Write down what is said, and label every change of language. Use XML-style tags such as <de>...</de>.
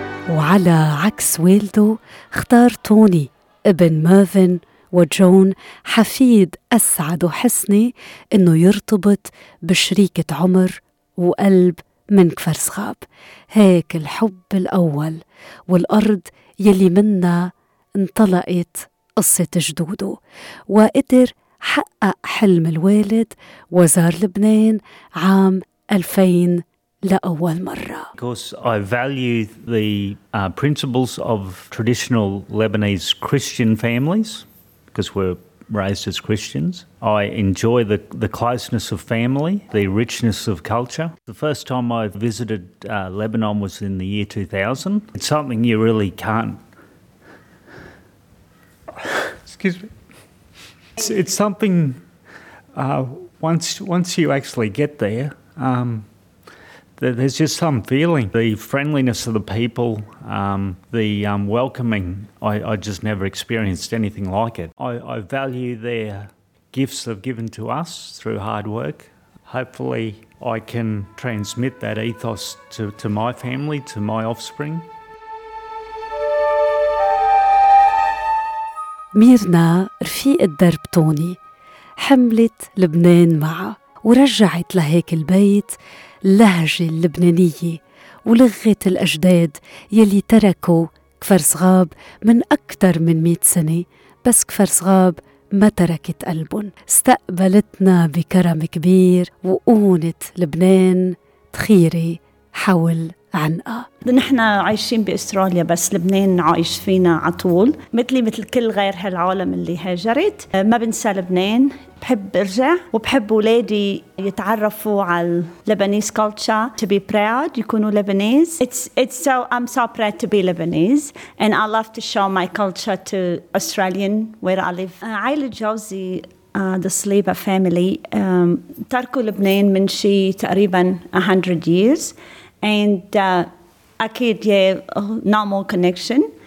<ar>وعلى عكس والده اختار توني ابن ميرفن وجون حفيد أسعد وحسني انه يرتبط بشريكة عمر وقلب من كفر صغاب. هيك الحب الأول والأرض يلي منا انطلقت قصة جدوده، وقدر حقق حلم الوالد وزار لبنان عام 2000 لأول مرة.</ar> <en>Because I value the principles of traditional Lebanese Christian families, because we're raised as Christians. I enjoy the closeness of family, the richness of culture. The first time I visited Lebanon was in the year 2000. It's something you really can't Excuse me. It's something once you actually get there, there's just some feeling. The friendliness of the people, the welcoming, I just never experienced anything like it. I value their gifts they've given to us through hard work. Hopefully I can transmit that ethos to my family, to my offspring.</en> <ar>ميرنا رفيق الدرب توني حملت لبنان معها ورجعت لهيك البيت اللهجة اللبنانية ولغة الأجداد يلي تركوا كفر صغاب من أكثر من 100 سنة بس كفر صغاب ما تركت قلبهم استقبلتنا بكرم كبير وقونت لبنان تخيري حول عنقه. نحن عايشين بأستراليا بس لبنان عايش فينا عطول مثل كل غير هالعالم اللي هاجرت. ما بنسى لبنان، بحب أرجع وبحب أولادي يتعرفوا على</ar> <en>Lebanese culture to be proud</en> <ar>يكونوا Lebanese.</ar> <en>I'm so proud to be Lebanese and I love to show my culture to Australian where I live.</en> <ar>عائلة جوزي</ar> <en>the Saliba family</en> <ar>تركوا لبنان من شي تقريبا</ar> <en>100 years and</en> <ar>أكيد</ar> <en>normal connection</en>